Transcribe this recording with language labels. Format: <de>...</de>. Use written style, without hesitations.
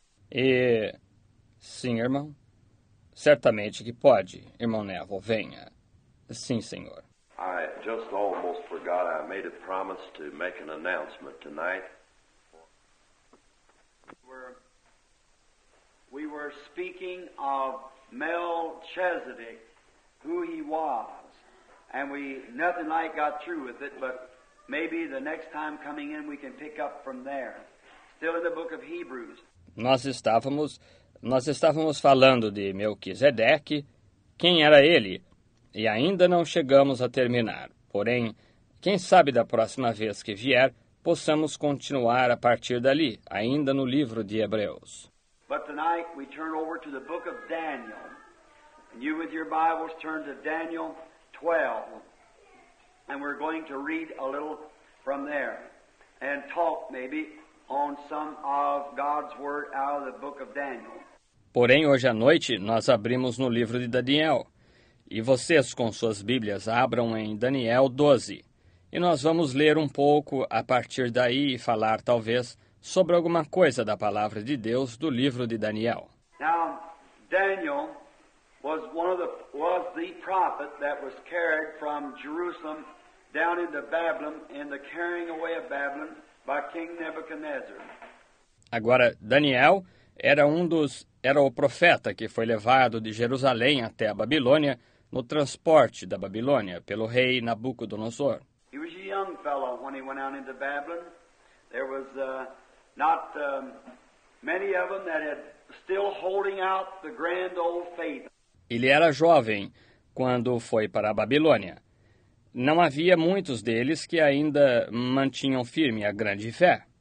<pt>E, sim, irmão, certamente que pode, irmão Neville, venha. Sim, senhor.</pt> <en>I just almost forgot I made a promise to make an announcement tonight. We were speaking of Melchizedek, who he was, and we nothing like got through with it, but maybe the next time coming in we can pick up from there. Still in the book of Hebrews.</en> <pt>Nós estávamos falando de Melquisedeque, quem era ele, e ainda não chegamos a terminar. Porém, quem sabe da próxima vez que vier, possamos continuar a partir dali, ainda no livro de Hebreus.</pt> <en>But tonight we turn over to the book of Daniel. And you with your Bibles turn to Daniel 12. And we're going to read a little from there and talk maybe on some of God's word out of the book of Daniel.</en> <pt>Porém, hoje à noite, nós abrimos no livro de Daniel. E vocês, com suas Bíblias, abram em Daniel 12. E nós vamos ler um pouco a partir daí e falar, talvez, sobre alguma coisa da palavra de Deus do livro de Daniel.</pt> <en>Now, Daniel was the prophet that was carried from Jerusalem down into Babylon in the carrying away of Babylon by King Nebuchadnezzar.</en> <pt>Agora, Daniel era o profeta que foi levado de Jerusalém até a Babilônia no transporte da Babilônia pelo rei Nabucodonosor.</pt> <en>He was a young fellow when he went out into Babylon. There was not many of them that had still holding out the grand old faith.</en> <pt>Ele era jovem quando foi para a Babilônia. Não havia muitos deles que ainda mantinham firme a grande fé.</pt>